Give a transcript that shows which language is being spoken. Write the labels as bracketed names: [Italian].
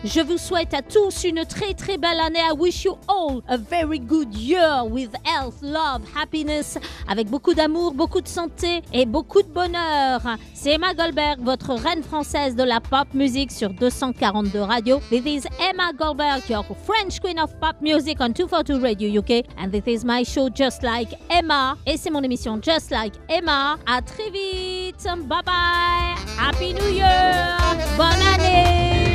[French] Je vous souhaite à tous une très très belle année. [English] I wish you all a very good year with health, love, happiness, [French] avec beaucoup d'amour, beaucoup de santé et beaucoup de bonheur. C'est Emma Goldberg, votre reine française de la pop music sur 242 Radio. [English] This is Emma Goldberg, your French queen of pop music on 242 Radio UK. And this is my show Just Like Emma. [French] Et c'est mon émission Just Like Emma. À très vite. [English] Bye bye. Happy New Year. [French] Bonne année.